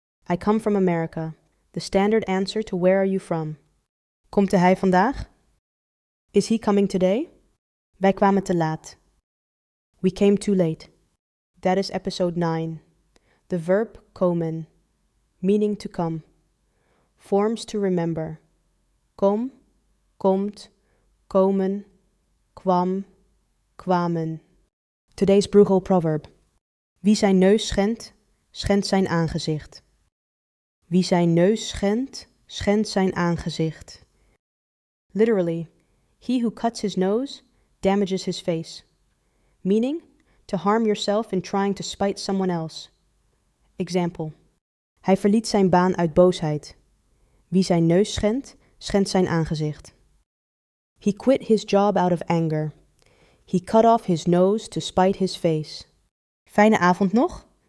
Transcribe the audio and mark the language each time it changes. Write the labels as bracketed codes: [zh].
[en] I come from America. The standard answer to where are you from? [nl] Komt hij vandaag? [en] Is he coming today? [nl] Wij kwamen te laat. [en] We came too late. That is episode 9. The verb komen, meaning to come. Forms to remember. [nl] Kom, komt, komen, kwam, kwamen. [en] Today's Bruegel proverb. [nl] Wie zijn neus schendt, schendt zijn aangezicht. Wie zijn neus schendt, schendt zijn aangezicht. [en] Literally, he who cuts his nose damages his face. Meaning, to harm yourself in trying to spite someone else. Example. [nl] Hij verliet zijn baan uit boosheid. Wie zijn neus schendt, schendt zijn aangezicht. [en] He quit his job out of anger. He cut off his nose to spite his face. [nl] Fijne avond nog!